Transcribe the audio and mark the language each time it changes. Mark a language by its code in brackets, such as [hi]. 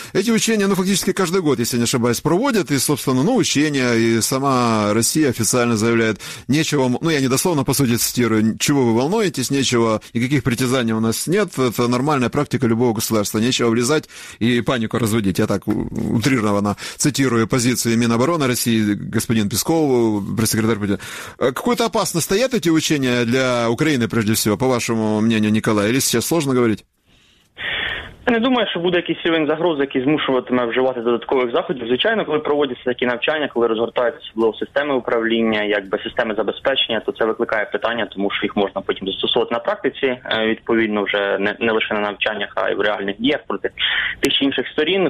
[uk] ці учення, ну, фактично, кожен рік, якщо не ошибаюсь, проводять, і, собственно, ну, учення, і сама Росія офіційно заявляє, нічого, ну, я недословно, по суті, цитирую, чого ви волнуєтесь, нічого, ніяких притязань [ru] у нас нет, [uk] це нормальна практика любого государства, нічого влізати і паніку розводити, я так утрировано цитирую позицію Міноборони Росії, господин Пісков, прес-секретар Путіна. [ru] Какую-то опасность стоят эти учения для Украины, прежде всего, по вашему мнению, Николай, или сейчас сложно говорить? [uk] Я не думаю, що буде якийсь рівень загрози, який змушуватиме вживати додаткових заходів. Звичайно, коли проводяться такі навчання, коли розгортаються особливо системи управління, якби системи забезпечення, то це викликає питання, тому що їх можна потім застосовувати на практиці, відповідно, вже не лише на навчаннях, а й в реальних діях проти тих чи інших сторін.